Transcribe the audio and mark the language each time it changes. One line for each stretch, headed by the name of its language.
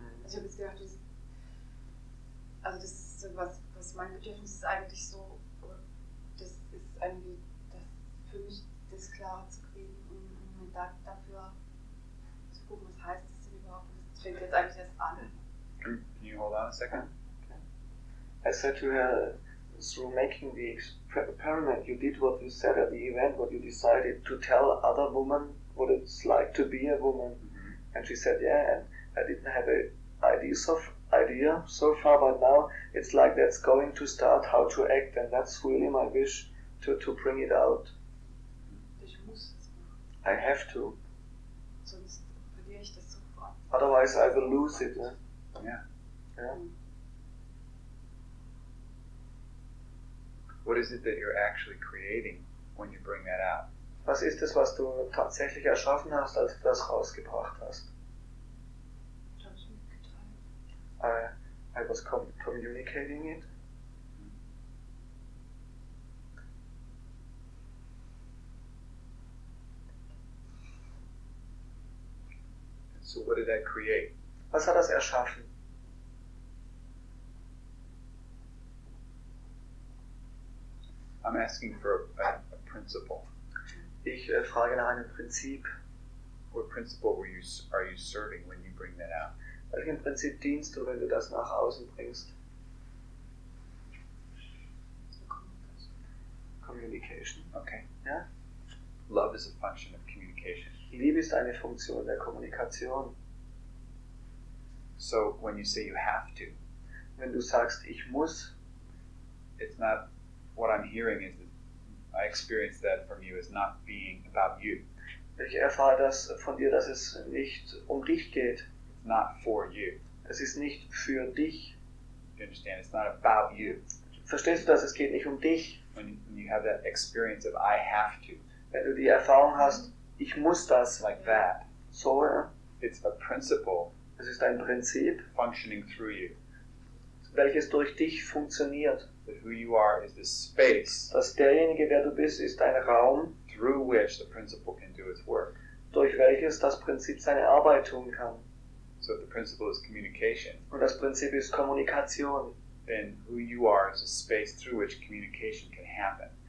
German: Also ich habe jetzt gedacht, das ist so was mein Bedürfnis ist eigentlich so, das ist irgendwie das für mich, das klar zu kriegen und dafür zu gucken, was heißt das denn überhaupt? Das fängt jetzt eigentlich erst an.
English: Can you hold on a second? Okay. I said to her, through making the experiment, you did what you said at the event, what you decided to tell other women what it's like to be a woman. Mm-hmm. And she said, yeah, and I didn't have an idea so far, but now it's like that's going to start how to act, and that's really my wish to bring it out.
German: Ich muss es machen.
English: I have to.
German: Sonst verliere ich das sofort.
English: Otherwise I will lose it. Yeah. Yeah. What is it that you're actually creating when you bring that out?
German: Was ist es, was du tatsächlich erschaffen hast, als du das rausgebracht hast? Ich habe es mitgeteilt.
English: I was communicating it. So what did that create?
German: Was hat das erschaffen?
English: I'm asking for a principle.
German: Ich frage nach einem Prinzip.
English: What principle are you serving when you bring that out?
German: Welchem Prinzip dienst du, wenn du das nach außen bringst?
English: Communication. Okay. Yeah? Love is a function of communication.
German: Liebe ist eine Funktion der Kommunikation.
English: So when you say you have to,
German: wenn du sagst, ich muss,
English: it's not. What I'm hearing is that I experience that from you as not being about you.
German: Ich erfahre das von dir, dass es nicht dich geht.
English: It's not for you.
German: Es ist nicht für dich.
English: You understand? It's not about you.
German: Verstehst du das? Es geht nicht dich.
English: When you have that experience of I have to.
German: Wenn du die Erfahrung hast, ich muss das.
English: Like that. So. It's a principle.
German: Es ist ein Prinzip.
English: Functioning through you.
German: Welches durch dich funktioniert.
English: Who you are is the space.
German: Dass derjenige, wer du bist, ist ein Raum.
English: Through which the principle can do its work.
German: Durch welches das Prinzip seine Arbeit tun kann.
English: So the principle is communication.
German: Und das Prinzip ist Kommunikation.
English: Then who you are is a space through which communication can happen.